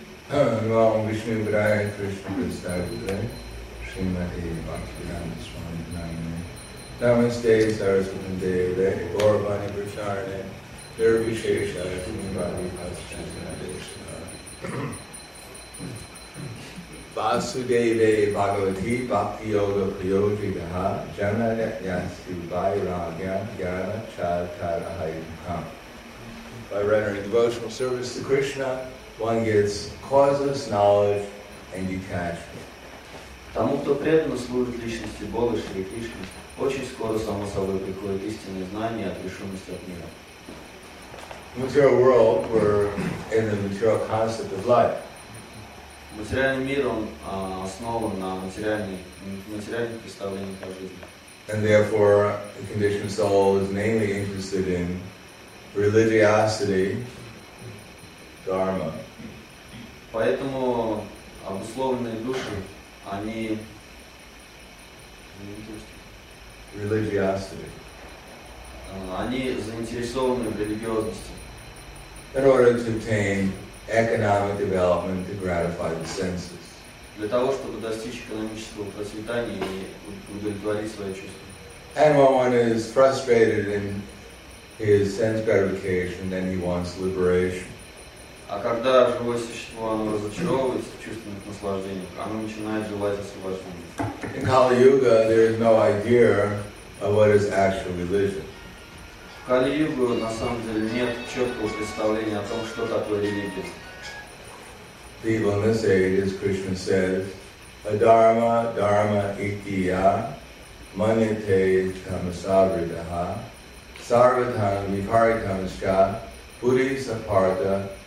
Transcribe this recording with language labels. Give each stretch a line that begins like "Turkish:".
Sanskrit: Ram Vishnu Braya Krishna Prasadra Srimati Bhaktivedanta Swami Namaste Namaste Saraswati Deva Gauravani Pracharane Nirvishesha Srimati Bhaktivedanta Deshna Vasudeve Bhagavati Bhakti Yoga Priyojitaha Jana Yasi Vairagya Jnana Chaitarahai Mukham.
English: By rendering devotional service to Krishna, one gets causeless knowledge and detachment.
Russian: Тому, кто преданно служит личности Бога Шри Кришны, очень скоро само собой приходит истинное знание и отрешенность от мира.
English: In the material world, we're in the material concept of life.
Russian: Материальный мир, он основан на материальных представлениях о жизни.
English: And therefore, the conditioned soul is mainly interested in religiosity, dharma.
Russian: Поэтому обусловленные души, они
English: religiosity.
Russian: Они заинтересованы в религиозности.
English: In order to obtain economic development to gratify the senses.
Russian: Для того, чтобы достичь экономического процветания и удовлетворить свои чувства.
English: And when one is frustrated in his sense gratification, then he wants liberation.
Russian: А когда живое существо оно разочаровывается в чувственных наслаждениях, оно начинает желать освобождения.
English: In Kali-Yuga there is no idea of what is actual religion.
Russian: В Кали-Югу на самом деле нет четкого представления о том, что такое религия.
English: People in this age, as Krishna says,
Sanskrit: adharma dharma ittiya manyate tamasavridaha sarvatam viparitamascha buddhi saparta.